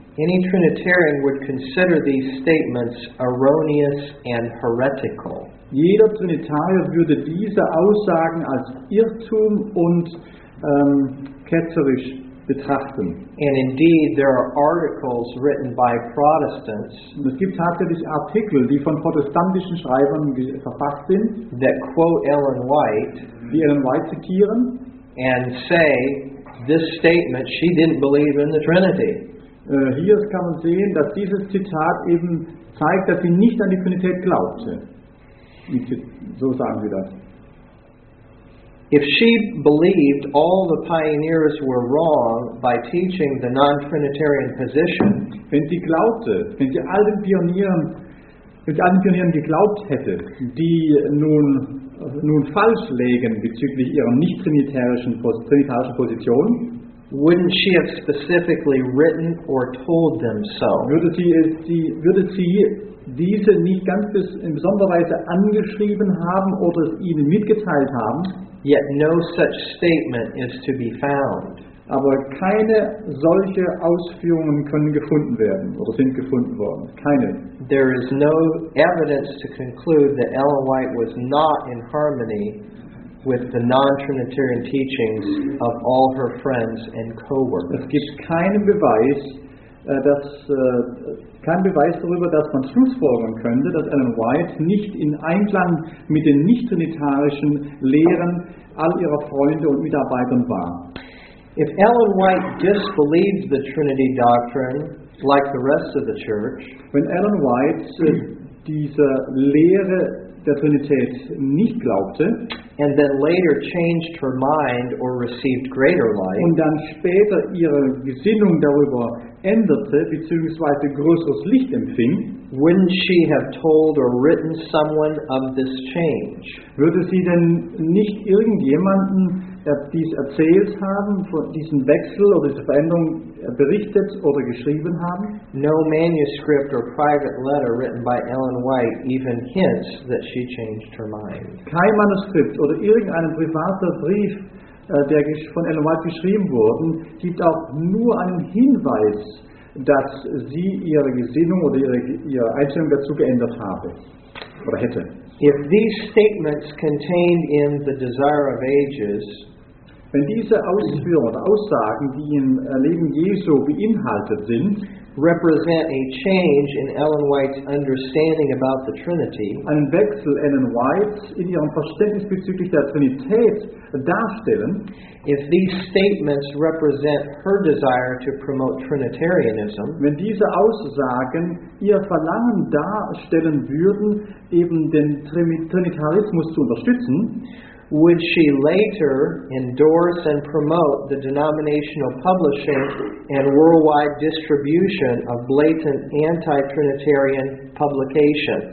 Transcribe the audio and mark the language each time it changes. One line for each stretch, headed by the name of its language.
English: Any Trinitarian would consider these statements erroneous and heretical.
German: Jeder Trinitarier würde diese Aussagen als Irrtum und ketzerisch betrachten.
English: And indeed, there are articles written by Protestants.
German: Es gibt tatsächlich Artikel, die von protestantischen Schreibern verfasst sind,
English: that quote Ellen White,
German: die Ellen White zitieren,
English: and say this statement: she didn't believe in the Trinity.
German: Hier kann man sehen, dass dieses Zitat eben zeigt, dass sie nicht an die Trinität glaubte. So sagen sie das.
English: If she believed all the pioneers were wrong by teaching the non-Trinitarian position,
German: wenn sie glaubte, wenn sie allen Pionieren geglaubt hätte, die nun falsch lägen bezüglich ihrer nicht-trinitarischen Position,
English: wouldn't she have specifically written or told them so?
German: Würde sie diese nicht ganz in besonderer Weise angeschrieben haben oder es ihnen mitgeteilt haben?
English: Yet no such statement is to be found.
German: Aber keine solche Ausführungen können gefunden werden oder sind gefunden worden. Keine.
English: There is no evidence to conclude that Ellen White was not in harmony with the non-Trinitarian teachings of all her friends and co-workers.
German: Es gibt keinen Beweis, darüber, dass man schlussfolgern könnte, dass Ellen White nicht in Einklang mit den nicht-trinitarischen Lehren all ihrer Freunde und Mitarbeitern war.
English: If Ellen White disbelieved the Trinity doctrine, like the rest of the church,
German: wenn Ellen White diese Lehre der Trinität nicht glaubte,
English: and then later changed her mind or received greater light,
German: und dann später ihre Gesinnung darüber änderte bzw. größeres Licht empfing,
English: wouldn't she have told or written someone of this change?
German: Würde sie denn nicht irgendjemanden dies erzählt haben, von diesem Wechsel oder dieser Veränderung berichtet oder geschrieben haben?
English: No manuscript or private letter written by Ellen White even hints that she changed her mind.
German: Kein Manuskript oder irgendein privater Brief, der von Ellen White geschrieben wurde, gibt auch nur einen Hinweis, dass sie ihre Gesinnung oder ihre Einstellung dazu geändert habe oder hätte.
English: If these statements contained in the Desire of Ages,
German: wenn diese Ausführungen, Aussagen, die im Leben Jesu beinhaltet sind,
English: represent a change in Ellen White's understanding about the Trinity,
German: einen Wechsel Ellen White in ihrem Verständnis bezüglich der Trinität darstellen,
English: if these statements represent her desire to promote Trinitarianism,
German: wenn diese Aussagen ihr Verlangen darstellen würden, eben den Trinitarismus zu unterstützen,
English: would she later endorse and promote the denominational publishing and worldwide distribution of blatant anti-Trinitarian publications?